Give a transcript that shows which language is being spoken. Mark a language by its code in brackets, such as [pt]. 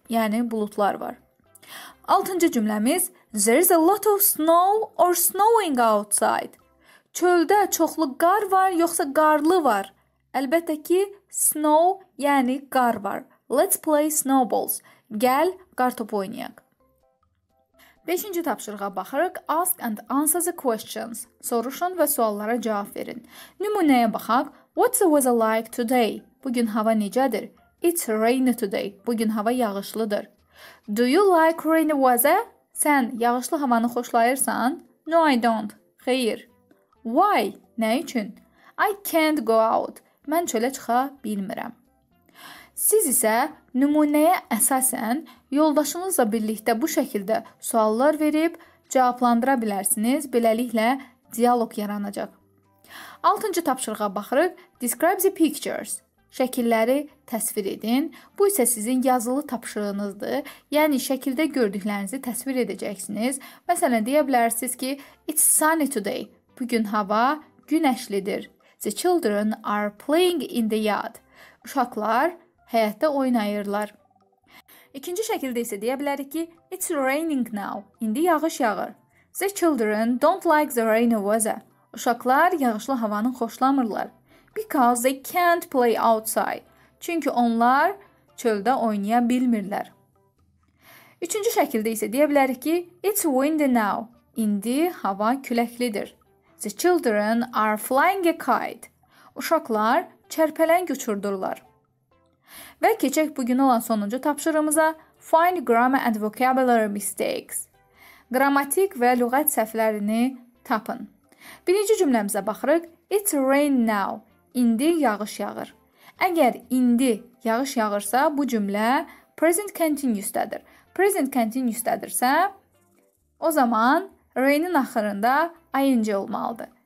[az] Yəni, bulutlar var. Altıncı cümləmiz. [en] There is a lot of snow or snowing outside. [az] Çöldə çoxlu qar var, yoxsa qarlı var? Əlbəttə ki, snow, yəni qar var. [en] Let's play snowballs. [az] Gəl, qar topu oynayaq. Beşinci tapşırığa baxırıq. [en] Ask and answer the questions. [az] Soruşun və suallara cavab verin. Nümunəyə baxaq. [en] What's the weather like today? [az] Bugün hava necədir? [en] It's rainy today. [az] Bugün hava yağışlıdır. [en] Do you like rainy weather? Sən yağışlı havanı xoşlayırsan? No, I don't. [az] Xeyr. [en] Why? [az] Nə üçün? [en] I can't go out. [az] Mən çölə çıxa bilmirəm. Siz isə nümunəyə əsasən yoldaşınızla birlikdə bu şəkildə suallar verib cavablandıra bilərsiniz. Beləliklə, dialoq yaranacaq. Altıncı tapşırığa baxırıq. [en] Describe the pictures. [az] Şəkilləri təsvir edin. Bu isə sizin yazılı tapşırığınızdır. Yəni, şəkildə gördüklərinizi təsvir edəcəksiniz. Məsələn, deyə bilərsiniz ki, [en] It's sunny today. [az] Bugün hava günəşlidir. [en] The children are playing in the yard. [az] Uşaqlar həyətdə oynayırlar. İkinci şəkildə isə deyə bilərik ki, [en] It's raining now. [az] İndi yağış yağır. [en] The children don't like the rainy weather. [az] Uşaqlar yağışlı havanı xoşlamırlar. [en] Because they can't play outside. [az] Çünki onlar çöldə oynaya bilmirlər. Üçüncü şəkildə isə deyə bilərik ki, [en] It's windy now. [az] İndi hava küləklidir. [en] The children are flying a kite. [az] Uşaqlar çərpələng uçurdurlar. Və keçək bugün olan sonuncu tapşırığımıza. [en] Find grammar and vocabulary mistakes. [az] Qrammatik və lüğət səhvlərini tapın. Birinci cümləmizə baxırıq. [en] It's rain now. [az] İndi yağış yağır. Əgər indi yağış yağırsa, bu cümlə present continuous-dədir. Present continuous-dədirsə, o zaman rain-in axırında ing olmalıdır.